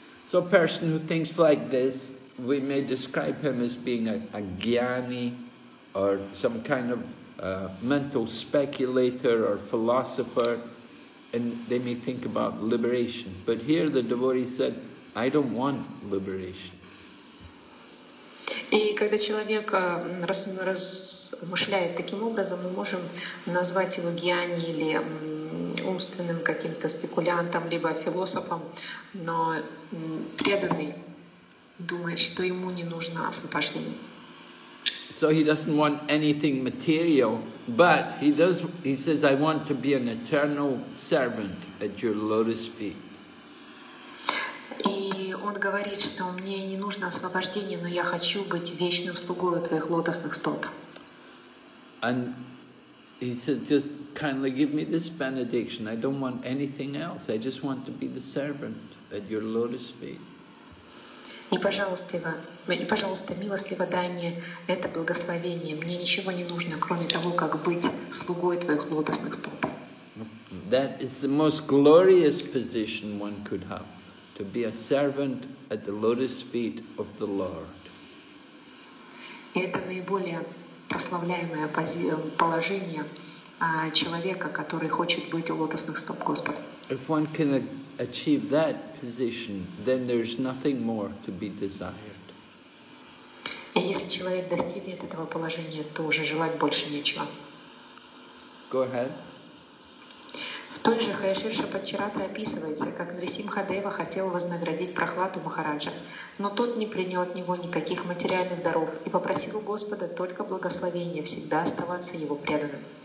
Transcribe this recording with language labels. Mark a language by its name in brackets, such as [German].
[English] So a person who thinks like this, we may describe him as being a gyani or some kind of mental speculator or philosopher, and they may think about liberation. But here the devotee said, I don't want liberation. [Russian] И когда человек размышляет таким образом, мы можем назвать его гьяни или умственным каким-то спекулянтом, либо философом, но преданный думает, что ему не нужно освобождение. [English] So he doesn't want anything material, but he says, I want to be an eternal servant at your lotus feet. [Russian] Он говорит, что мне не нужно освобождение, но я хочу быть вечным слугой у твоих лотосных стоп. [English] And he said, just kindly give me this benediction. I don't want anything else. I just want to be the servant at your lotus feet. [Russian] И пожалуйста, милостливо дай мне это благословение. Мне ничего не нужно, кроме того, как быть слугой твоих лотосных стоп. [English] That is the most glorious position one could have. To be a servant at the lotus feet of the Lord. [Russian] Это наиболее прославляемое положение человека, который хочет быть у лотосных стоп Господа. [English] If one can achieve that position, then there's nothing more to be desired. [Russian] И если человек достигнет этого положения, то уже желать больше нечего. [English] Go ahead. [Russian] В той же Хайширша Панчарата описывается, как Нрисимхадева хотел вознаградить Прахладу Махараджа, но тот не принял от него никаких материальных даров и попросил у Господа только благословения всегда оставаться его преданным.